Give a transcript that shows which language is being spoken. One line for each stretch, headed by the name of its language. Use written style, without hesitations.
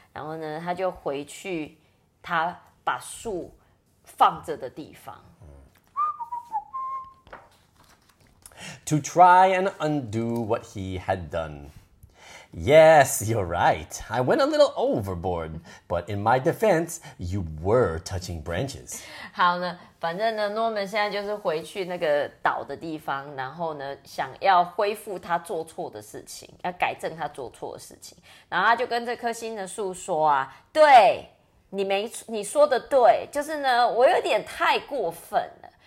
Chinese: 然后呢，他就回去，他把树放着的地方。
English: To try and undo what he had done. Yes, you're right. I went a little overboard. But in my defense, you were touching branches.
Chinese: 好呢，反正呢 ，Norman 现在就是回去那个岛的地方，然后呢，想要恢复他做错的事情，要改正他做错的事情。然后他就跟这棵新的树说啊，对，你说的对，就是呢，我有点太过分了。